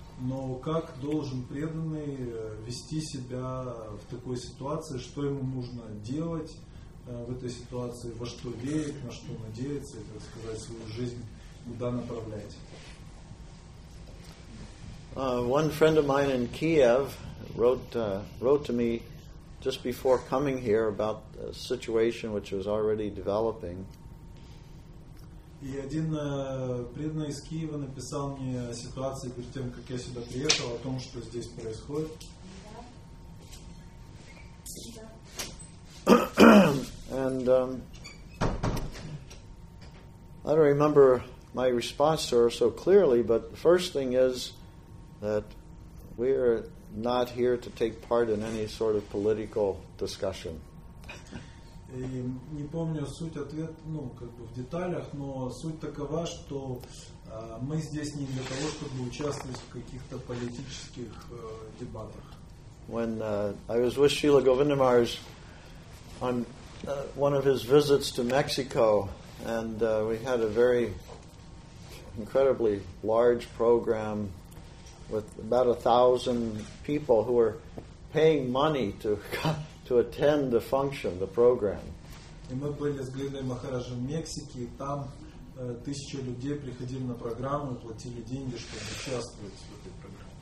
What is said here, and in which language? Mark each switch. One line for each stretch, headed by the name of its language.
Russian: Но как должен преданный вести себя в такой ситуации, что ему нужно делать в этой ситуации, во что верить, на что надеяться, и, так сказать, свою жизнь куда направлять?
English: One friend of mine in Kiev wrote to me just before coming here about a situation which was already developing.
Russian: И один преданный из Киева написал мне о ситуации перед тем, как я сюда приехал, о том, что здесь происходит.
English: And I don't remember my response to her so clearly, but the first thing is that we are not here to take part in any sort of political discussion.
Russian: Не помню суть ответ, ну, как бы в деталях, но суть такова, что мы здесь не для того, чтобы участвовать в каких-то политических дебатах.
English: When I was with Srila Govinda Maharaj on one of his visits to Mexico, and we had a very incredibly large program with about 1,000 people who were paying money to attend the function, the program.
Russian: И мы были с Глиной Махараджем в Мексике, и там 1,000 людей приходили на программу и платили деньги, чтобы участвовать в этой программе.